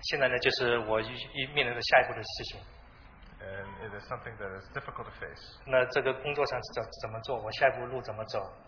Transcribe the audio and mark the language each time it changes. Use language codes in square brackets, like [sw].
[zh] 现在呢，就是我面临的下一步的事情。 [en] And it is something that is difficult to face. [zh] 那这个工作上怎么做？我下一步路怎么走？